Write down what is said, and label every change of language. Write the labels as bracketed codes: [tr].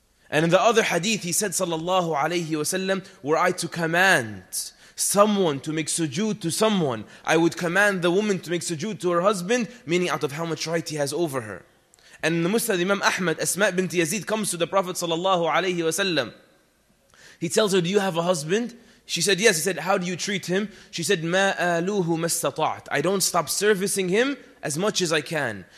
[en] And in the other hadith, he said, sallallahu alayhi wasallam, were I to command someone to make sujood to someone, I would command the woman to make sujood to her husband, meaning out of how much right he has over her. And in the Musnad, Imam Ahmad, Asma' bint Yazid comes to the Prophet sallallahu alayhi wasallam. He tells her, do you have a husband? She said, yes. He said, how do you treat him? She said, [ar] مَا أَلُوهُ مَا اسْتَطَعْتُ. [en] I don't stop servicing him as much as I can.